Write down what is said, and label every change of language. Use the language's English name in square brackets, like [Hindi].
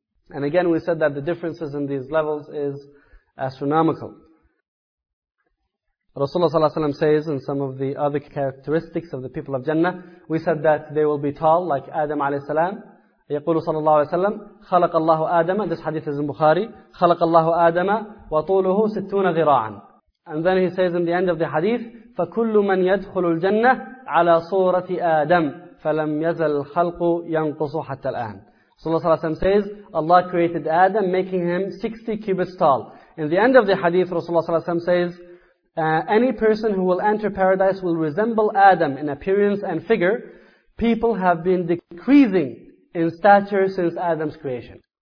[English] And again, we said that the differences in these levels is astronomical. Rasulullah sallallahu alaihi wasallam says in some of the other characteristics of the people of Jannah, we said that they will be tall like Adam alayhi salam. [Arabic] يقول صلى الله عليه وسلم خلق الله آدم. [English] This hadith is in Bukhari. [Arabic] خلق الله آدم وطوله 60 ذراعا. [English] And then he says in the end of the hadith, [Arabic] فكل من يدخل الجنة على صورة آدم فلم يزل الخلق ينقص حتى الآن. [English] Rasulullah sallallahu alaihi wasallam says, Allah created Adam, making him 60 cubits tall. In the end of the hadith, Rasulullah sallallahu alaihi wasallam says, Any person who will enter paradise will resemble Adam in appearance and figure. People have been decreasing in stature since Adam's creation.